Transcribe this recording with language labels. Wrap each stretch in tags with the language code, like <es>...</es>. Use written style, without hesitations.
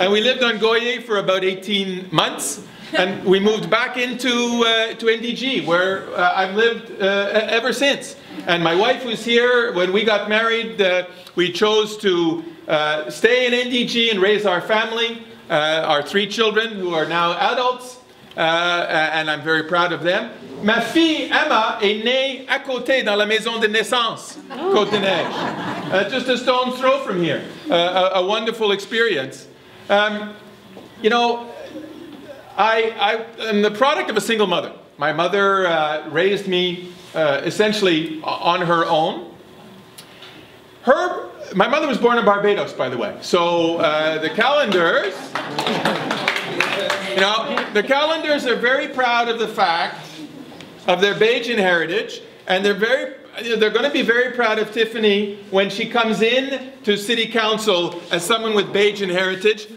<en>And we lived on Goyer for about 18 months, and we moved back into NDG, where I've lived ever since. And my wife was here when we got married. We chose to stay in NDG and raise our family. Our three children, who are now adults, and I'm very proud of them.</en> <fr>Ma fille Emma est née à côté dans la maison de naissance, Côte-des-Neiges.</fr> <en>Just a stone's throw from here. A wonderful experience. You know, I am the product of a single mother. My mother raised me essentially on her own. My mother was born in Barbados, by the way. So the calendars, you know, the calendars are very proud of the fact of their Bajan heritage, and they're going to be very proud of Tiffany when she comes in to city council as someone with Bajan heritage.</en>